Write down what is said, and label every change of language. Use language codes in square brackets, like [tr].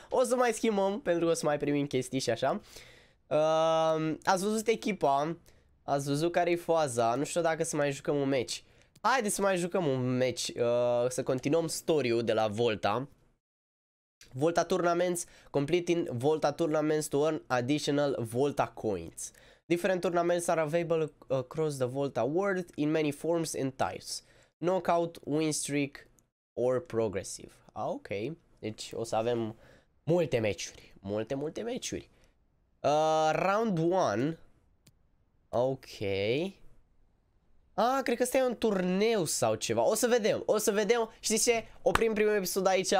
[ro] O să mai schimbăm pentru că o să mai primim chestii și așa. Ați văzut echipa. Ați văzut care-i faza. Nu știu dacă să mai jucăm un match. Haideți să mai jucăm un match, să continuăm story-ul de la Volta. [en] Volta Tournaments, completing Volta Tournaments to earn additional Volta Coins. Different tournaments are available across the Volta world in many forms and types. Knockout, win streak or progressive. [ro] Ah, ok, deci o să avem multe meciuri, multe meciuri. Round 1. Ok. Ah, cred că ăsta e un turneu sau ceva. O să vedem. Știți ce? Oprim primul episod aici.